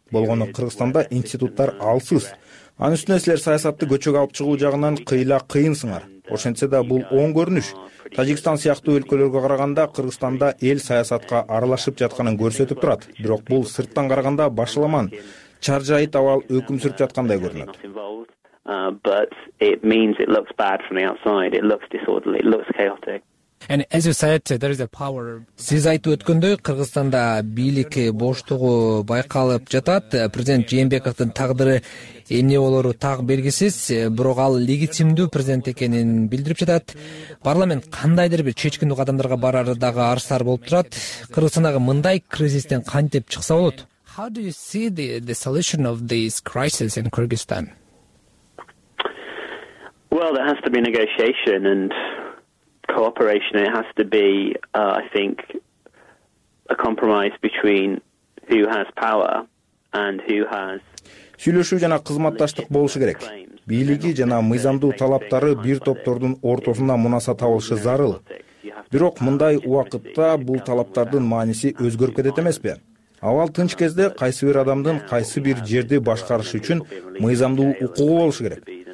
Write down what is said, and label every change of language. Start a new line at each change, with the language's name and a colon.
Kyrgyz: Болгону Кыргызстанда институттар алсыз. Анын үстүнө силер саясатты көчөгө алып чыгуу жагынан кыйла кыйынсыңар. Ошентсе да бул оң көрүнүш. Тажикстан сыяктуу өлкөлөргө караганда Кыргызстанда эл саясатка аралашып жатканын көрсөтүп турат. Бирок бул сырттан караганда башаламан чаржайыт абал өкүм сүрүп жаткандай көрүнөт.
English: But it means it looks bad from the outside. It looks disorderly. It looks chaotic. And as you said, there is a power.
Kyrgyz: Сиз айтып өткөндөй, Кыргызстанда бийлик боштугу байкалып жатат. Президент Жээнбековдун тагдыры эмне болору так белгисиз, бирок ал легитимдүү президент экенин билдирип жатат. Парламент кандайдыр бир чечкиндүү кадамдарга барар дагы арыстар болуп турат. Кыргызстандагы мындай кризистен кантип чыкса болот?
English: How do you see the solution of this crisis in Kyrgyzstan? Well, there has to be negotiation and cooperation. It has to be, I think, a compromise between who has power and who has...
Kyrgyz: Сүйлөшүү жана кызматташтык болушу керек. Бийлиги жана мыйзамдуу талаптары бир топтордун ортосунда мунасат алышы зарыл. Бирок мындай убакытта бул талаптардын мааниси өзгөрүп кетет эмеспи? Абал тынч кезде кайсы бир адамдын кайсы бир жерди башкарышы үчүн мыйзамдуу укугу болушу керек.